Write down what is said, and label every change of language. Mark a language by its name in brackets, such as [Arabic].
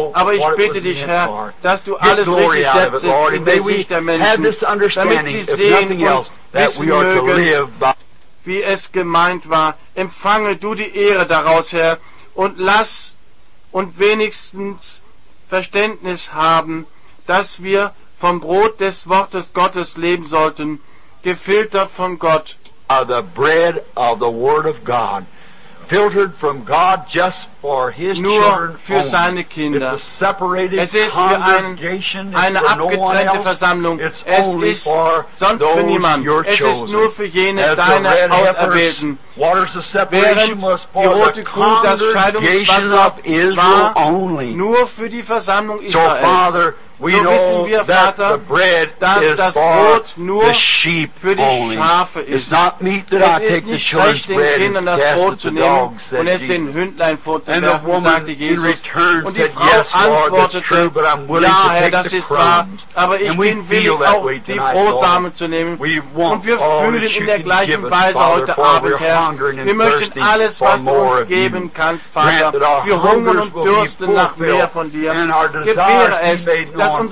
[German] Aber ich bitte dich, Herr, dass du alles richtig setzt in der Sicht der Menschen, damit sie sehen und wissen mögen, wie es gemeint war. Empfange du die Ehre daraus, Herr, und lass und wenigstens Verständnis haben, dass wir vom Brot des Wortes Gottes leben sollten, gefiltert von Gott. [English] The bread of the Word of God, filtered from God just for His [German] nur [English] children [German] für seine Kinder. Es ist für eine abgetrennte Versammlung. Es ist sonst für niemanden. Es ist nur für jene deine Auserwählten. Während die rote Kuh das Scheidungswasser war, nur für die Versammlung Israels. So wissen wir, Vater, dass das Brot nur für die Schafe ist. Es ist nicht recht, den Kindern das Brot zu nehmen und es den Hündlein vorzuziehen. [English] And the woman in return said, yes, Lord, that's true, but I'm willing to take the crumbs. And we feel that way tonight, Lord. We want all that you can give us, Father, for we're hungering and thirsty for more of you. Grant that our hungers will be fulfilled, and our desires be made known.